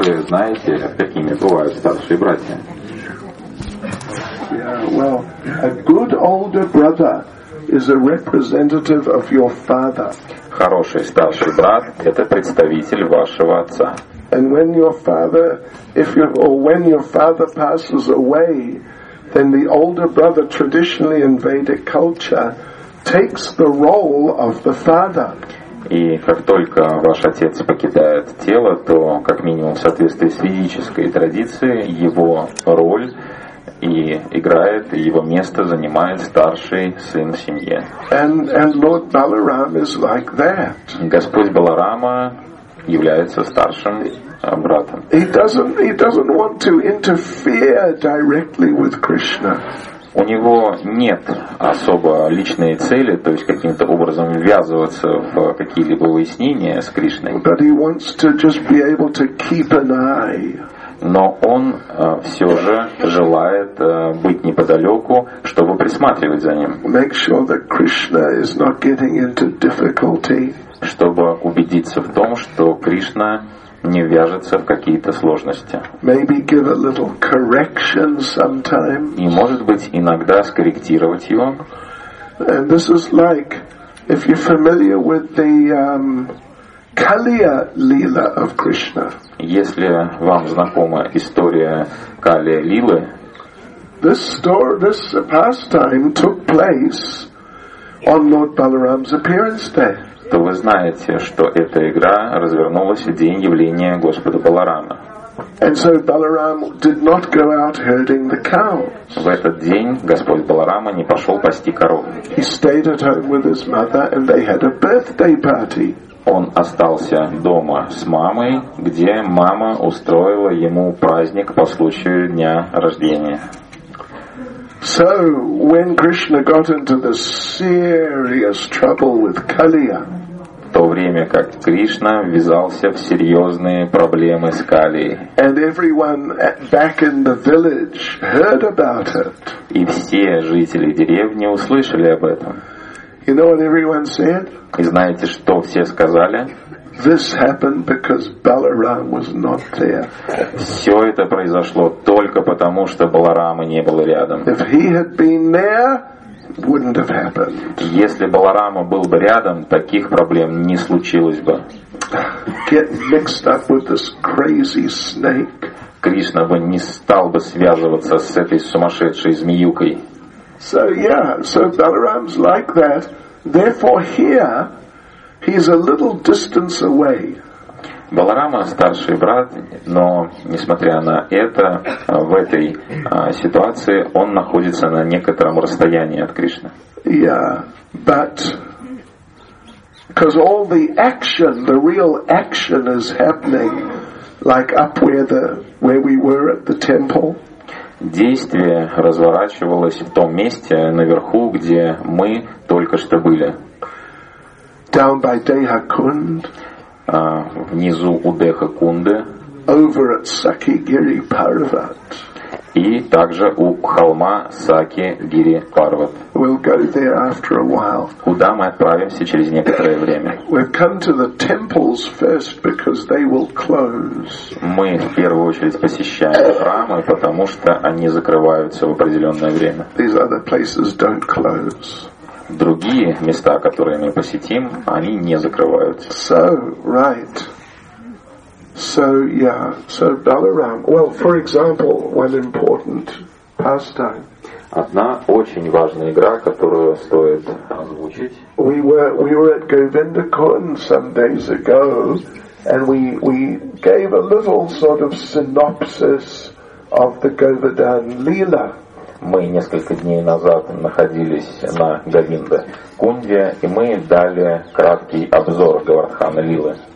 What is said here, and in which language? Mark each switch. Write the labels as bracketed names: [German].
[Russian] знаете, какими бывают старшие братья. [English] Well, a good older brother is a representative of your father. [Russian] Хороший старший брат – это представитель вашего отца. [English] And when your father, when your father passes away, then the older brother traditionally in Vedic culture takes the role of the father. [Russian] И как только ваш отец покидает тело, то как минимум в соответствии с ведической традицией его роль и играет, и его место занимает старший сын в семье. [English] And Lord Balaram is like that. [Russian] Господь Баларама является старшим братом. [English] He doesn't want to interfere directly with Krishna. [Russian] У него нет особо личной цели, то есть каким-то образом ввязываться в какие-либо выяснения с Кришной. [English] But he wants to just be able to keep an eye. [Russian] Но он все же желает быть неподалеку, чтобы присматривать за ним. [English] Make sure that Krishna is not getting into difficulty. [Russian] Чтобы убедиться в том, что Кришна не вяжется в какие-то сложности. [English] Maybe give a little correction sometimes. [Russian] И, может быть, иногда скорректировать его. [English] And this is like, if you're familiar with the Kaliya Lila of Krishna. [Russian] Если вам знакома история Калия Лилы, [English] this pastime took place on Lord Balaram's appearance day. [Russian] То вы знаете, что эта игра развернулась в день явления Господа Баларама. [English] And so Balaram did not go out herding the cows. [Russian] В этот день Господь Баларама не пошел пасти коров. [English] He stayed at home with his mother, and they had a birthday party. [Russian] Он остался дома с мамой, где мама устроила ему праздник по случаю дня рождения. [English] So when Krishna got into the serious trouble with Kaliya, [Russian] в то время как Кришна ввязался в серьезные проблемы с Калией, [English] and everyone back in the village heard about it, [Russian] и все жители деревни услышали об этом. [English] You know what everyone said? [Russian] И знаете, что все сказали? [English] This happened because Balaram was not there. [Russian] Все это произошло только потому, что Баларама не было рядом. [English] If he had been there, wouldn't have happened. [Russian] Если Баларама был бы рядом, таких проблем не случилось бы. [English] Get mixed up with this crazy snake. [Russian] Кришна бы не стал бы связываться с этой сумасшедшей змеюкой. [English] So yeah, so Balaram's like that. Therefore, here he's a little distance away. [Russian] Баларама старший брат, но несмотря на это, в этой ситуации он находится на некотором расстоянии от Кришны. [English] Yeah, but because all the action, the real action, is happening like up where we were at the temple. [Russian] Действие разворачивалось в том месте наверху, где мы только что были. [English] Down by Dehakund, [Russian] внизу у Дехакунды. [English] Over at Sakigiri Parvat. [Russian] И также у холма Сакигири Парват. [English] We'll go there after a while. [Russian] Куда мы отправимся через некоторое время. [English] We've come to the temples first because they will close. [Russian] Мы в первую очередь посещаем храмы, потому что они закрываются в определенное время. [English] These other places don't close. [Russian] Другие места, которые мы посетим, они не закрываются. [English] So, right. So yeah, so Balaram. Well, for example, one important pastime. [Russian] Одна очень важная игра, которую стоит озвучить. [English] We were at Govindakund some days ago, and we gave a little sort of synopsis of the Govardhan Leela. [Russian] Мы несколько дней назад находились на Говинда-кунде, и мы дали краткий обзор Говардхана Лилы.